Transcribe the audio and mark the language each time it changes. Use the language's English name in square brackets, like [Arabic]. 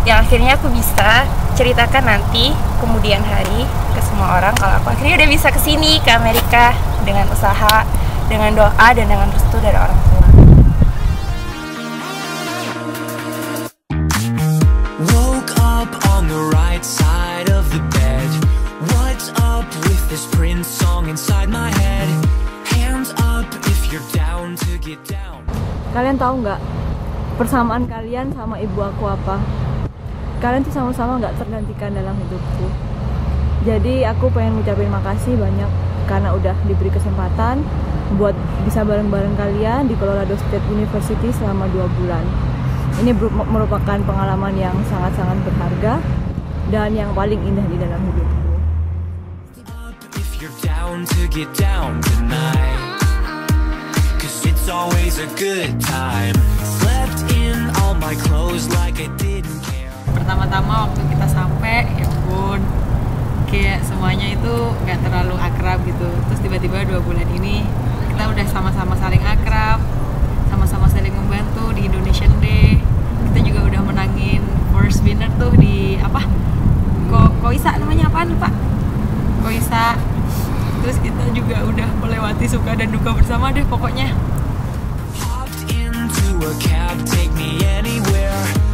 [Indonesian] Akhirnya aku bisa ceritakan nanti kemudian hari ke semua orang kalau aku akhirnya udah bisa kesini ke Amerika dengan usaha, dengan doa, dan dengan restu dari orang tua. [English] Woke up on the right side of the bed. What's up with this Prince song inside my head? Hands up if you're down to get down. [Indonesian] Kalian tahu nggak persamaan kalian sama ibu aku apa? Kalian tuh sama-sama gak tergantikan dalam hidupku. Jadi aku pengen ngucapin makasih banyak karena udah diberi kesempatan buat bisa bareng-bareng kalian di Colorado State University selama 2 bulan. Ini merupakan pengalaman yang sangat-sangat berharga dan yang paling indah di dalam hidupku. [English] If you're down to get down tonight, 'cause it's always a good time. Slept in all my clothes like I didn't care. [Indonesian] Pertama-tama waktu kita sampai, ya pun kayak semuanya itu gak terlalu akrab gitu. Terus tiba-tiba 2 bulan ini kita udah sama-sama saling akrab, sama-sama saling membantu di Indonesian Day. Kita juga udah menangin [English] first winner [Indonesian] tuh di apa? Koisa namanya apaan Pak? Koisa. Terus kita juga udah melewati suka dan duka bersama deh pokoknya. [English] Hopped into a cab, take me anywhere.